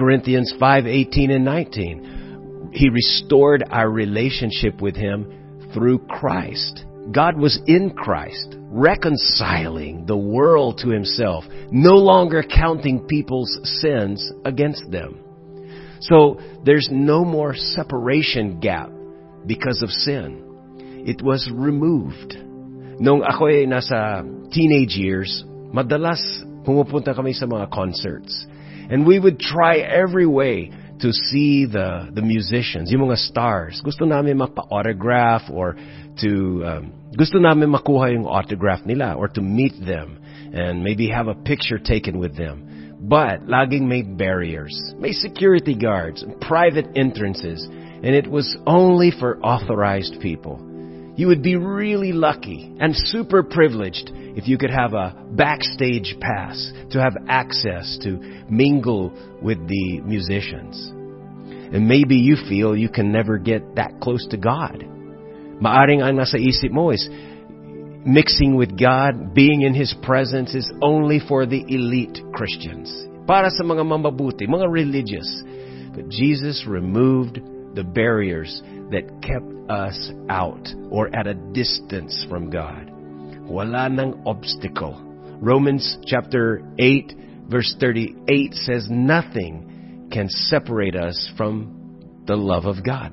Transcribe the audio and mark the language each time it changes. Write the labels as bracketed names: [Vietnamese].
[English] 2 Corinthians 5:18-19, he restored our relationship with him through Christ. God was in Christ, reconciling the world to himself, no longer counting people's sins against them. So there's no more separation gap because of sin. It was removed. [Filipino] Nung ako ay nasa teenage years, madalas pumupunta kami sa mga concerts. [English] And we would try every way to see the musicians, [Filipino] yung mga [English] stars. [Filipino] Gusto namin magpa-autograph [English] or to [Filipino] gusto namin makuha yung autograph nila [English] or to meet them and maybe have a picture taken with them. But [Filipino] laging may [English] barriers, may security guards, private entrances, and it was only for authorized people. You would be really lucky and super privileged if you could have a backstage pass to have access to mingle with the musicians. And maybe you feel you can never get that close to God. [Filipino] Maaring ang nasa isip mo [English] is, mixing with God, being in His presence is only for the elite Christians. [Filipino] Para sa mga mambabuti, mga religious. [English] But Jesus removed the barriers that kept us out or at a distance from God. [Filipino] Wala nang obstacle. [English] Romans 8:38 says nothing can separate us from the love of God.